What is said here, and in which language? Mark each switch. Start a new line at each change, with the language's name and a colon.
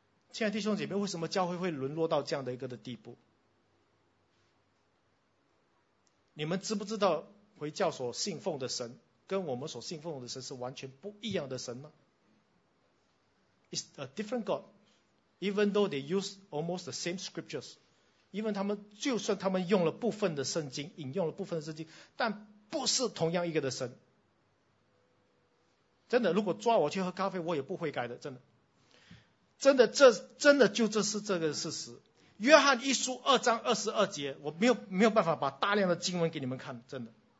Chinese: 亲爱的弟兄姐妹，为什么教会会沦落到这样的一个的地步？你们知不知道回教所信奉的神跟我们所信奉的神是完全不一样的神吗？
English: It's a different God. Even though they use almost the same scriptures.
Chinese: 因为他们就算他们用了部分的圣经，引用了部分的圣经，但不是同样一个的神。真的，如果抓我去喝咖啡，我也不会改的。真的，真的，这是这个事实。约翰一书二章二十二节，我没有办法把大量的经文给你们看，真的。